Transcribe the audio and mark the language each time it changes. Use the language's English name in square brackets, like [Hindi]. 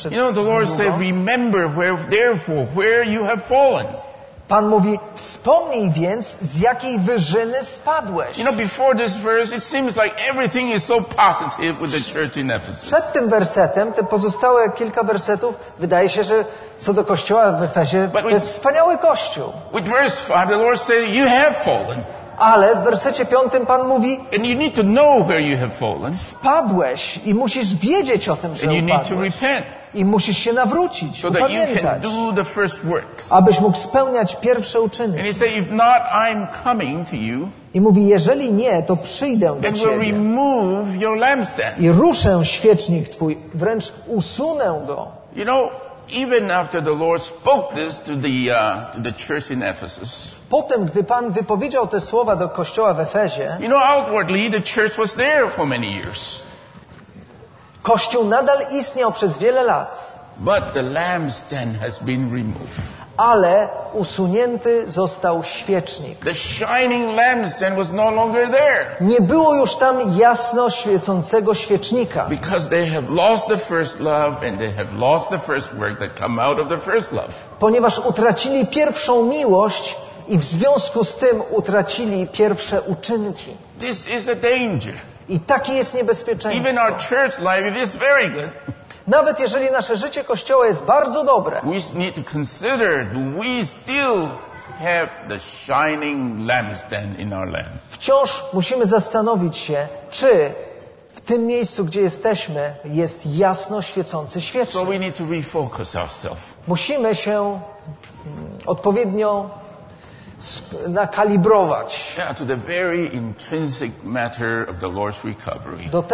[English] you know, the Lord said, remember where, therefore, where you have fallen. [Polish] Pan mówi, wspomnij więc, z jakiej wyżyny spadłeś. [English] You know, before this verse, it seems like everything is so positive with the church in Ephesus. [Polish] Przed tym wersetem, te pozostałe kilka wersetów, wydaje się, że co do kościoła w Efezie, to jest wspaniały kościół. [English] With verse 5, the Lord says, you have fallen. [Polish] Ale w wersecie 5 Pan mówi, [English] and you need to know where you have fallen. [Polish] Spadłeś i musisz wiedzieć o tym, że [English] and you [Polish] upadłeś. [English] Need to repent. [Polish] I musisz się nawrócić, [English] so that you can do the first works. [Polish] Abyś mógł spełniać pierwsze uczynki. [English] And he said, if not, I'm coming to you. [Polish] I mówi, jeżeli nie, to przyjdę do Ciebie. [English] Then we'll remove your lampstand. [Polish] I ruszę świecznik Twój, wręcz usunę go. [English] You know, even after the Lord spoke this to the church in Ephesus. [Polish] Potem, gdy Pan wypowiedział te słowa do kościoła w Efezie. [English] You know, outwardly the church was there for many years. [Polish] Kościół nadal istniał przez wiele lat. [English] But the lampstand has been removed. [Polish] Ale usunięty został świecznik. [English] The shining lampstand was no longer there. [Polish] Nie było już tam jasno świecącego świecznika. [English] Because they have lost the first love and they have lost the first work that come out of the first love. [Polish] Ponieważ utracili pierwszą miłość i w związku z tym utracili pierwsze uczynki. [English] This is a danger. [Polish] I takie jest niebezpieczeństwo. [English] Even our church life is very good. [Polish] Nawet jeżeli nasze życie kościoła jest bardzo dobre, [English] we need to consider, do we still have the shining lampstand in our lamp? [Polish] Wciąż musimy zastanowić się, czy w tym miejscu, gdzie jesteśmy, jest jasno świecący świecznik. [English] So we need to refocus ourselves. [Polish] Musimy się odpowiednio nakalibrować. [English] Yeah, to the very intrinsic matter of the Lord's recovery.